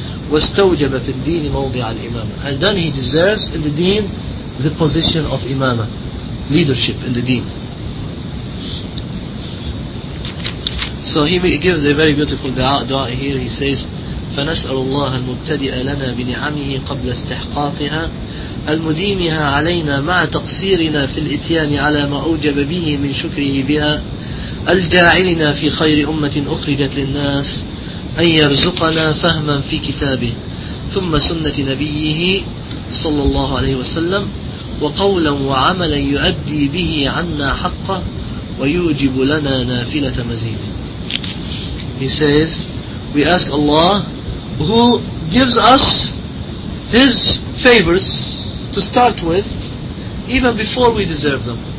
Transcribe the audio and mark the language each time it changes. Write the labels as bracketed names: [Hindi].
[Arabic] واستوجب في الدين موضع الإمامة, [English] and then he deserves in the deen the position of imama, leadership in the deen. So he gives a very beautiful dua here. He says, [Arabic] فنسأل الله المبتدئ لنا بنعمه قبل استحقاقها المديمها علينا مع تقصيرنا في الإتيان على ما أوجب به من شكره بها الجاعلنا في خير أمة أخرجت للناس أن يرزقنا فهما في كتابه ثم سنة نبيه صلى الله عليه وسلم وقولا وعملا يؤدي به عنا حقه ويوجب لنا نافلة مزيد. [English] He says, we ask Allah who gives us his favors to start with even before we deserve them.